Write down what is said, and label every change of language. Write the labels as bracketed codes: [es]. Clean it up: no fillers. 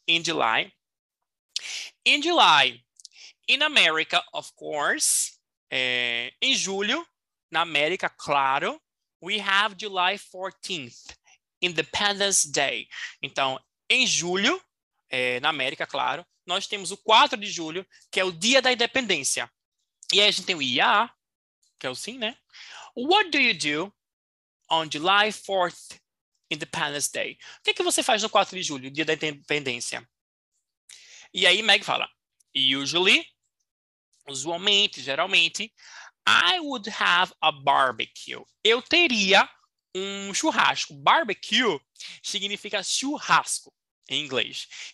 [en] In July. In July, in America, of course, [pt] em julho, na América, claro, [en] we have July 14th, Independence Day. [pt] Então, em julho, na América, claro, nós temos o 4 de julho, que é o dia da independência. E aí a gente tem o IA, que é o sim, né? [en] What do you do on July 4th, Independence Day? [pt] O que é que você faz no 4 de julho, dia da independência? E aí Meg fala, usualmente, geralmente, [en] I would have a barbecue. [pt] Eu teria um churrasco. Barbecue significa churrasco em inglês.